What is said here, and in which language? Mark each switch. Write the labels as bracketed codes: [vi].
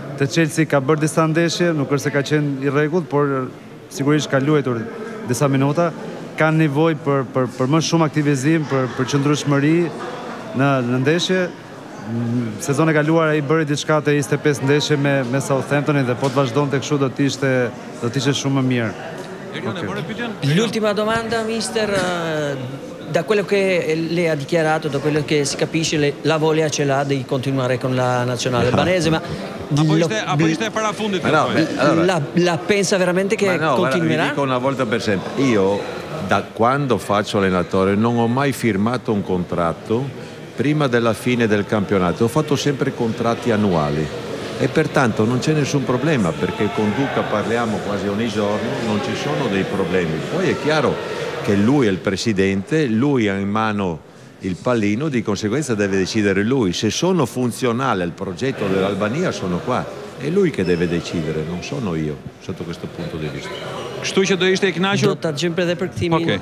[sq] Te Chelsea ka bërë disa ndeshje, nuk është se ka qenë i rregullt, por sigurisht ka luajtur disa minuta, ka nevojë për më shumë aktivizim, për qëndrueshmëri në ndeshje. Sezon e kaluar ai bëri diçka te 25 ndeshje me Southamptonin dhe po të vazhdonte kështu do të ishte shumë më mirë. [en] Okay. [it] L'ultima domanda, mister, da quello che lei ha dichiarato, da quello che si capisce, la voglia ce l'ha di continuare con la nazionale albanese, ma [sq] apo ishte para fundit, [it] ma no, la pensa veramente che ma no, continuerà? Ma dico una volta per sempre, io da quando faccio allenatore non ho mai firmato un contratto prima della fine del campionato, ho fatto sempre contratti annuali e pertanto non c'è nessun problema, perché con Duca parliamo quasi ogni giorno, non ci sono dei problemi. Poi è chiaro che lui è il presidente, lui ha in mano il pallino, di conseguenza deve decidere lui. Se sono funzionale al progetto dell'Albania sono qua, è lui che deve decidere, non sono io sotto questo punto di vista. [sq] Kështu që do ishte e kënaqur? Do ta gjejmë edhe për këtimin, okay.